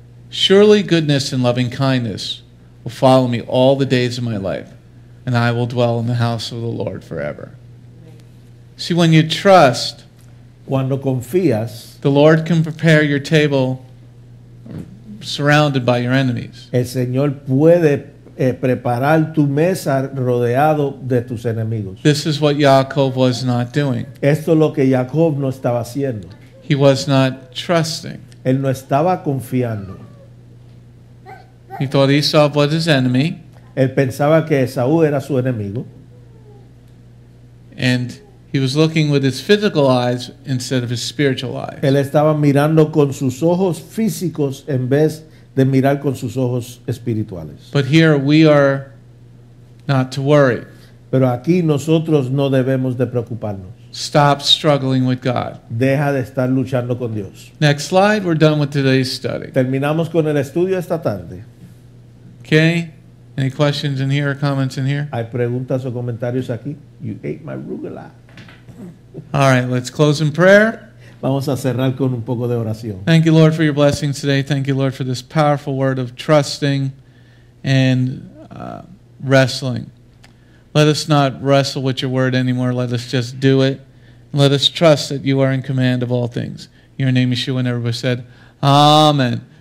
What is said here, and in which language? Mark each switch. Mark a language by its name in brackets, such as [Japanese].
[English] Surely goodness and loving kindness will follow me all the days of my life. And I will dwell in the house of the Lord forever. See, when you trust, [Spanish] cuando confías, [English] the Lord can prepare your table surrounded by your enemies. [Spanish] El Señor puede preparar tu mesa rodeado de tus enemigos. [English] This is what Jacob was not doing. [Spanish] Esto es lo que Jacob no estaba haciendo. [English] He was not trusting. [Spanish] Él no estaba confiando. [English] He thought Esau was his enemy. [Spanish] Él pensaba que Esaú era su enemigo. [English] And he was looking with his physical eyes instead of his spiritual eyes. [Spanish] Él estaba mirando con sus ojos físicos en vez de mirar con sus ojos espirituales. [English] But here we are not to worry. [Spanish] Pero aquí nosotros no debemos de preocuparnos. [English] Stop struggling with God. [Spanish] Deja de estar luchando con Dios. [English] Next slide, we're done with today's study. [Spanish] Terminamos con el estudio esta tarde. [English] Okay. Any questions in here or comments in here? [Spanish] Hay preguntas o comentarios aquí. [English] You ate my arugula. All right, let's close in prayer. [Spanish] Vamos a cerrar con un poco de oración. [English] Thank you, Lord, for your blessings today. Thank you, Lord, for this powerful word of trusting and wrestling. Let us not wrestle with your word anymore. Let us just do it. Let us trust that you are in command of all things. In your name, Yeshua, and everybody said, Amen.